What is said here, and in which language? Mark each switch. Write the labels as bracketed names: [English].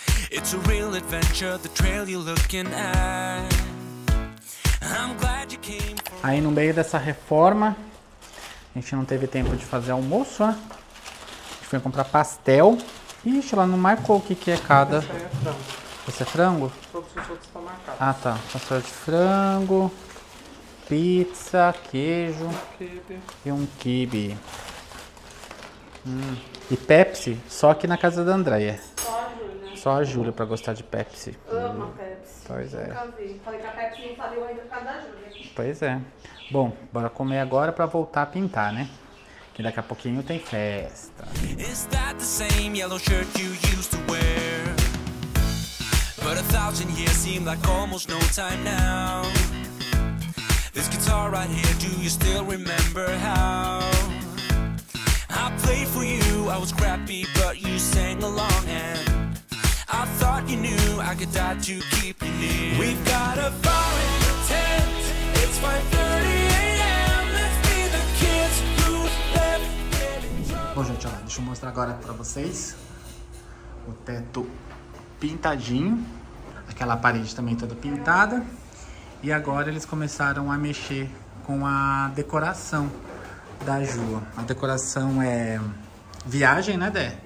[English] It's a real adventure, the trail you're looking at. I'm glad you came for... [Portuguese] Aí no meio dessa reforma, a gente não teve tempo de fazer almoço, né? A gente foi comprar pastel. Ixi, ela não marcou o que, que é cada. Esse é frango. Esse é frango? Todos os outros estão marcados. Ah, tá. Pastel de frango, pizza, queijo. Quibe. E um quibe. E Pepsi, só aqui na casa da Andréia. Só a Júlia pra gostar de Pepsi. Amo a Pepsi. Pois é. Nunca vi. Falei que a Pepsi não faliu ainda por causa da Júlia. Pois é. Bom, bora comer agora pra voltar a pintar, né? Que daqui a pouquinho tem festa. [English] Is that the same yellow shirt you used to wear? But a thousand years seem like almost no time now. This guitar right here, do you still remember how? I played for you, I was crappy, but you sang along and I thought you knew I could die to keep you near. We've got a fire in the tent. It's 5:30 AM. Let's be the kids who left. [Portuguese] Bom, gente, ó, deixa eu mostrar agora pra vocês o teto pintadinho, aquela parede também toda pintada. E agora eles começaram a mexer com a decoração da Ju. A decoração é viagem, né, Dé?